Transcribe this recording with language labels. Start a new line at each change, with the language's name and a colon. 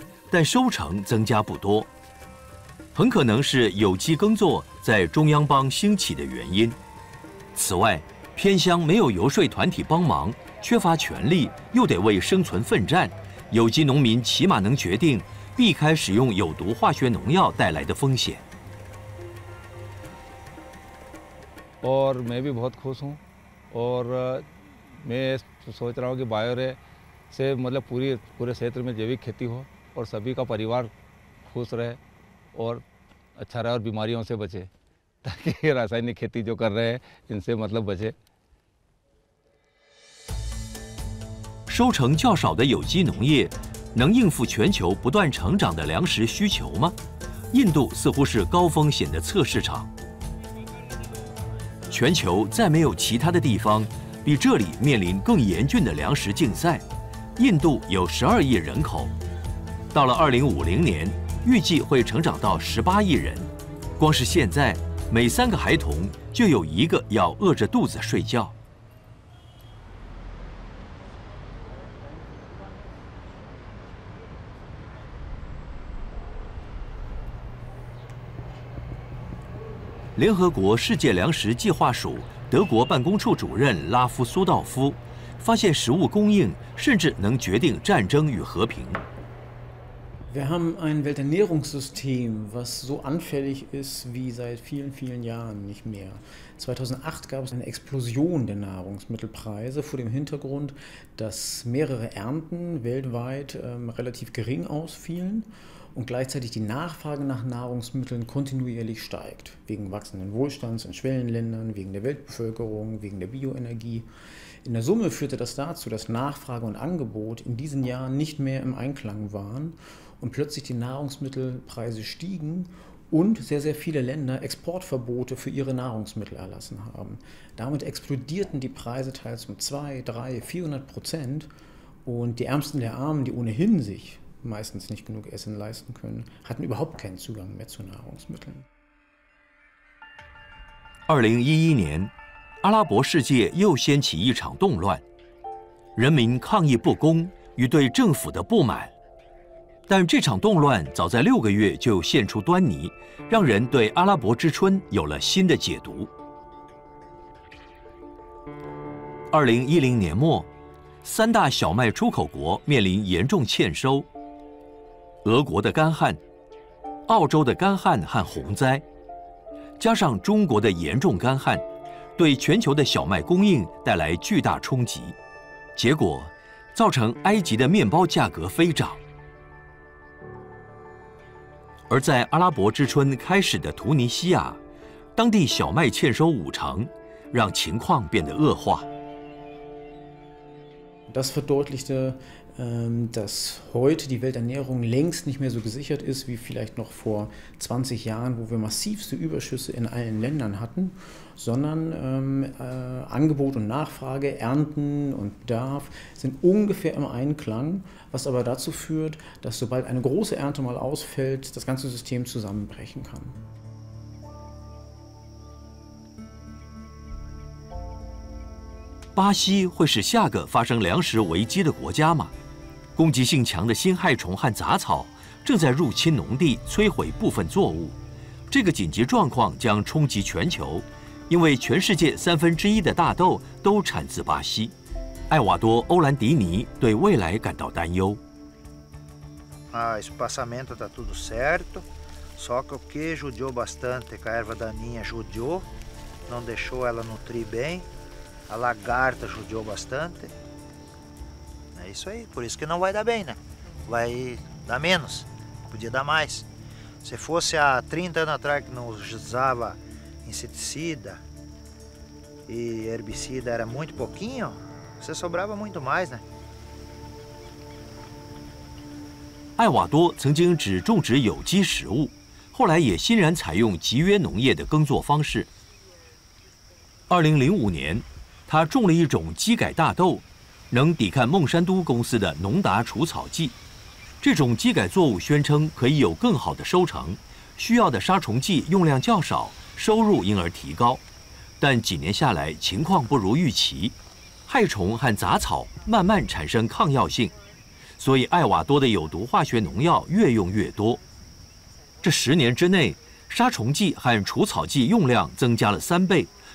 Chinese: 但收成增加不多，很可能是有机耕作在中央邦兴起的原因。此外，偏乡没有游说团体帮忙，缺乏权力，又得为生存奋战，有机农民起码能决定避开使用有毒化学农药带来的风险。
Hindi: और मैं भी बहुत खुश हूँ, और मैं सोच रहा हूँ कि बायोरे से मतलब पूरे क्षेत्र में जैविक खेती हो और सभी का परिवार खुश रहे और अच्छा रहे और बीमारियों से बचे, ताकि रासायनिक खेती जो कर रहे हैं इनसे मतलब बचे।
Chinese: 收成较少的有机农业能应付全球不断成长的粮食需求吗？印度似乎是高风险的测试场。全球再没有其他的地方比这里面临更严峻的粮食竞赛。印度有12亿人口，到了2050年，预计会成长到18亿人。光是现在，每三个孩童就有一个要饿着肚子睡觉。联合国世界粮食计划署德国办公处主任拉夫苏道夫发现，食物供应甚至能决定战争与和平。
German: Wir haben ein Welternährungssystem, was so anfällig ist wie seit vielen, vielen Jahren nicht mehr. 2008 gab es eine Explosion der Nahrungsmittelpreise vor dem Hintergrund, dass mehrere Ernten weltweit relativ gering ausfielen und gleichzeitig die Nachfrage nach Nahrungsmitteln kontinuierlich steigt, wegen wachsenden Wohlstands in Schwellenländern, wegen der Weltbevölkerung, wegen der Bioenergie. In der Summe führte das dazu, dass Nachfrage und Angebot in diesen Jahren nicht mehr im Einklang waren und plötzlich die Nahrungsmittelpreise stiegen und sehr, sehr viele Länder Exportverbote für ihre Nahrungsmittel erlassen haben. Damit explodierten die Preise teils um 200, 300, 400% und die Ärmsten der Armen, die ohnehin sich meistens nicht genug Essen leisten können, hatten überhaupt keinen Zugang mehr zu Nahrungsmitteln.
Chinese: 2011年, 阿拉伯世界又掀起一场动乱，人民抗议不公与对政府的不满。但这场动乱早在6个月就现出端倪，让人对阿拉伯之春有了新的解读。 2010年末，三大小麦出口国面临严重欠收，俄国的干旱、澳洲的干旱和洪灾，加上中国的严重干旱，对全球的小麦供应带来巨大冲击，结果造成埃及的面包价格飞涨。而在阿拉伯之春开始的突尼西亚，当地小麦欠收50%，让情况变得恶化。
German: Das verdeutlichte, dass heute die Welternährung längst nicht mehr so gesichert ist wie vielleicht noch vor 20 Jahren, wo wir massivste Überschüsse in allen Ländern hatten, sondern Angebot und Nachfrage, Ernten und Bedarf sind ungefähr im Einklang, was aber dazu führt, dass sobald eine große Ernte mal ausfällt, das ganze System zusammenbrechen kann.
Chinese: 巴西会是下个发生粮食危机的国家吗？攻击性强的辛害虫和杂草正在入侵农地，摧毁部分作物。这个紧急状况将冲击全球，因为全世界1/3的大豆都产自巴西。艾瓦多·欧兰迪尼对未来感到担忧。
Portuguese: Ah, espaçamento está tudo certo, só que o que judiou bastante, que a erva daninha judiou, não deixou ela nutrir bem. A lagarta judiou bastante. É isso aí. Por isso que não vai dar bem, né? Vai dar menos. Podia dar mais. Se fosse há 30 anos atrás que não usava inseticida, e herbicida era muito pouquinho, você sobrava muito mais, né?
Chinese: 艾瓦多曾经只种植有机食物，后来也欣然采用集约农业的耕作方式。 2005年， 他种了一种机改大豆，能抵抗孟山都公司的农达除草剂。这种机改作物宣称可以有更好的收成，需要的杀虫剂用量较少，收入因而提高。但几年下来，情况不如预期，害虫和杂草慢慢产生抗药性，所以艾瓦多的有毒化学农药越用越多。这十年之内，杀虫剂和除草剂用量增加了三倍。